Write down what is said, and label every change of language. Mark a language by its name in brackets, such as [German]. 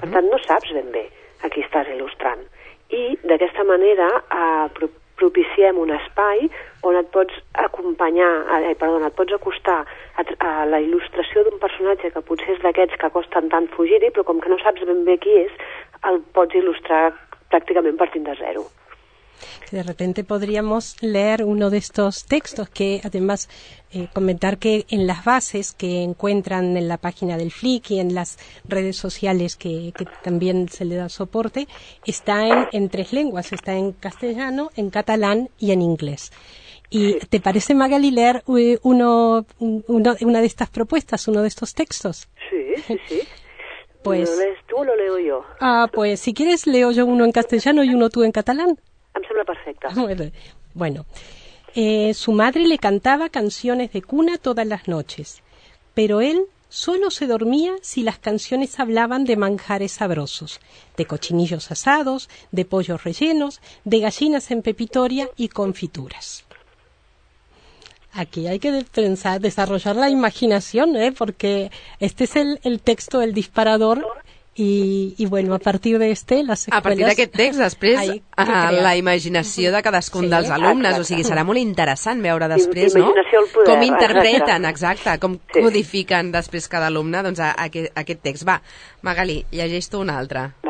[Catalan] Per tant, no saps ben bé a qui estàs il·lustrant. I d'aquesta manera propiciem un espai on et pots acostar a la il·lustració d'un personatge que potser és d'aquests que costen tant fugir-hi, però com que no saps ben bé qui és, el pots il·lustrar pràcticament partint de zero. [Spanish] De repente podríamos leer uno de estos textos que, además, comentar que en las bases que encuentran en la página del FLIC y en las redes sociales que también se le da soporte, está en tres lenguas, está en castellano, en catalán y en inglés. ¿Y te parece, Magali, leer una de estas propuestas, uno de estos textos? Sí. Pues, ¿lo lees tú o lo leo yo? Pues si quieres leo yo uno en castellano y uno tú en catalán. [Catalan] Em sembla perfecte. [Spanish] Bueno, su madre le cantaba canciones de cuna todas las noches, pero él solo se dormía si las canciones hablaban de manjares sabrosos, de cochinillos asados, de pollos rellenos, de gallinas en pepitoria y confituras. Aquí hay que pensar, desarrollar la imaginación, porque este es el texto, el disparador. [Catalan] I bueno, a partir d'este, les escoles... A partir d'aquest text, després, la imaginació de cadascun dels alumnes. Exacte. O sigui, serà molt interessant veure després, no? Com interpreten, exacte, com codifiquen després cada alumne, doncs, aquest text. Va, Magali, llegeix-te un altre.